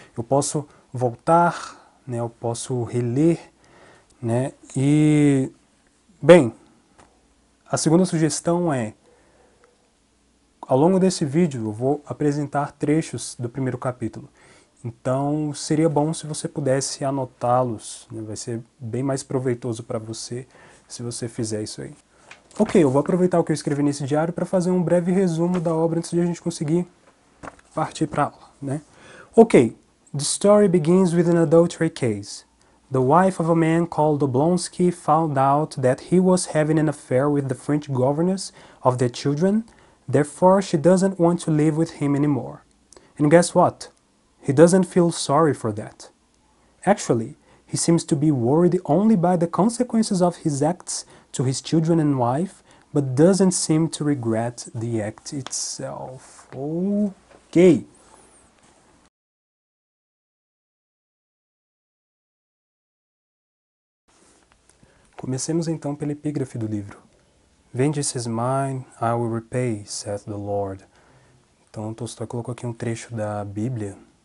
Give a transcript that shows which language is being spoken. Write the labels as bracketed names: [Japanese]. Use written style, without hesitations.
[Portuguese] Eu posso voltar, né, eu posso reler, né, e, bem, a segunda sugestão é, ao longo desse vídeo eu vou apresentar trechos do primeiro capítulo. Então, seria bom se você pudesse anotá-los, né? Vai ser bem mais proveitoso para você se você fizer isso aí. Ok, eu vou aproveitar o que eu escrevi nesse diário para fazer um breve resumo da obra antes de a gente conseguir partir para a aula, né? [English] Ok, the story begins with an adultery case. The wife of a man called Oblonsky found out that he was having an affair with the French governess of their children, therefore she doesn't want to live with him anymore. And guess what? He doesn't feel sorry for that. Actually, he seems to be worried only by the consequences of his acts to his children and wife, but doesn't seem to regret the act itself. Okay. [Portuguese] Comecemos então pela epígrafe do livro. [English] Vengeance is mine, I will repay, saith the Lord. [Portuguese] Então, Tolstói colocou aqui um trecho da Bíblia.